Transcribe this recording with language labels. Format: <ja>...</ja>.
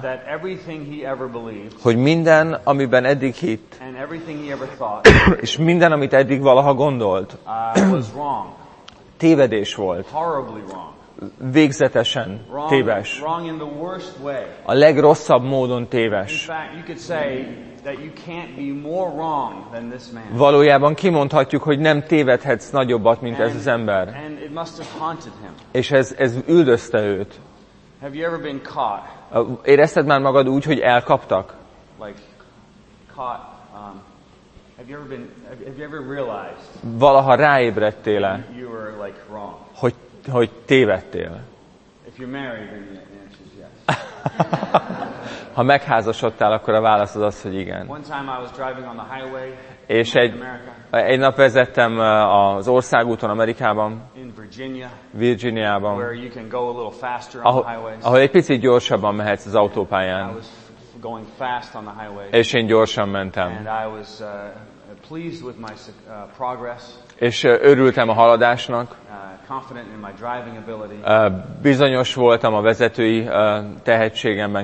<en>that everything he ever believed,</en> <hu>hogy minden, amiben eddig hitt,</hu> <en>and everything he ever thought,</en> <hu>és minden, amit eddig valaha gondolt,</hu> <en>was wrong.</en> <hu>Tévedés volt.</hu> <en>Horribly wrong.</en> <hu>Végzetesen</hu> <en>wrong,</en> <hu>téves.</hu> <en>Wrong in the worst way.</en> <hu>A legrosszabb módon téves.</hu> <en>In fact, you could say that you can't be more wrong than this man.</en> <hu>Valójában kimondhatjuk, hogy nem tévedhetsz nagyobbat, mint ez az ember.</hu> <en>And it must have haunted him.</en> <hu>És ez üldözte őt.</hu> <en>Have you ever been caught?</en> <hu>Érezted már magad úgy, hogy elkaptak?</hu> <en>Like caught. Have you ever realized?</en> <hu>Valaha ráébredtél-e?</hu> <en>You were like wrong.</en> <hu>Hogy tévedtél?</hu> <en>If you're married, then the answer is yes.</en> <hu>Ha megházasodtál, akkor a válasz az az, hogy igen.</hu> <en>One time I was driving on the highway.</en> <hu>És egy nap vezettem az országúton Amerikában.</hu> <en>In Virginia.</en> <hu>Virginiában.</hu> <en>Where you can go a little faster on the highways.</en> <hu>Ahol egy picit gyorsabban mehetsz az autópályán.</hu> <en>Going fast on the highway.</en> <hu>És én gyorsan mentem.</hu> <en>And I was pleased with my progress.</en> <hu>És örültem a haladásnak.</hu> <en>Confident in my driving ability.</en> <hu>Bizonyos voltam a vezetői tehetségemben,</hu>